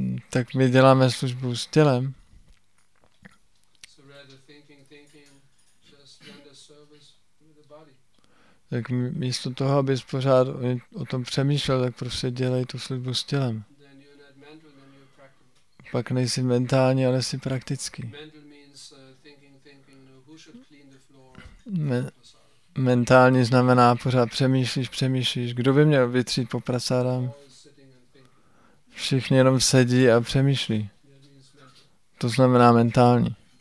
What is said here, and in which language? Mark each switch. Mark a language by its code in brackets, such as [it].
[cs] Tak my děláme službu s tělem. [en] So rather thinking, just render service with the body. [cs] Tak místo toho, abys pořád o tom přemýšlel, tak prostě dělej tu službu s tělem. [en] Then you're not mental, then you're practical. [cs] Pak nejsi mentální, ale jsi praktický. [en] Mental means thinking, who should clean the floor. [cs] Mentální znamená pořád přemýšlíš, kdo by měl vytřít po prasárám. Všichni jenom sedí a přemýšlí. To znamená mentální.